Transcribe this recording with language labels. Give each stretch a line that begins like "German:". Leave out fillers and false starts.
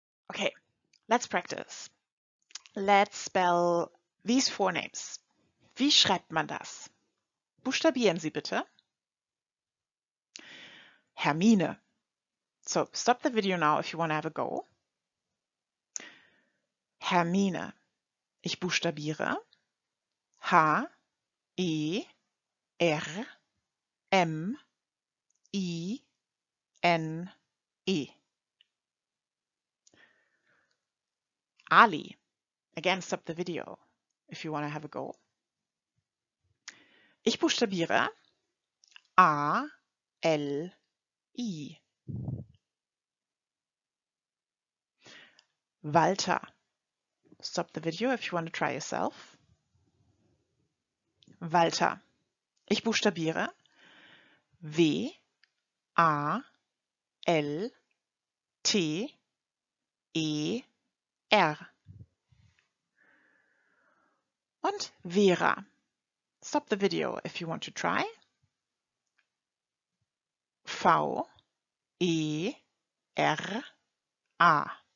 English: Okay, let's practice. Let's spell these four names.
German: Wie schreibt man das? Buchstabieren Sie bitte. Hermine.
English: So stop the video now if you want to have a go.
German: Hermine. Ich buchstabiere H-E-R-M-I-N-E. Ali.
English: Again, stop the video if you want to have a go.
German: Ich buchstabiere A-L-I.
English: Walter. Stop the video if you want to try yourself.
German: Walter. Ich buchstabiere W-A-L-T-E-R. Und Vera.
English: Stop the video if you want to try.
German: V-E-R-A.